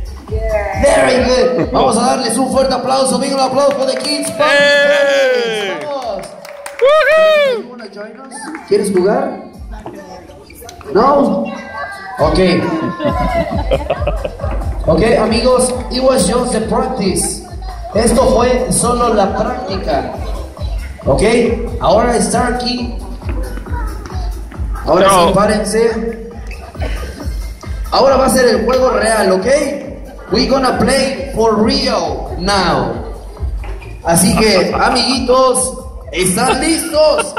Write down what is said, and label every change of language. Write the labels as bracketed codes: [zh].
[en] Yeah. Very good. [es] Vamos a darles un fuerte aplauso, amigo. Un aplauso [en] for the kids. [es] Hey! Vamos. Woohoo! ¿Quieres jugar? No? Okay. Okay, amigos. [en] It was just the practice. [es] Esto fue solo la práctica. Ok, ahora está aquí. Ahora no. Sepárense. Ahora va a ser el juego real, ok. [en] We're gonna play for real now. [es] Así que, amiguitos, ¿están listos?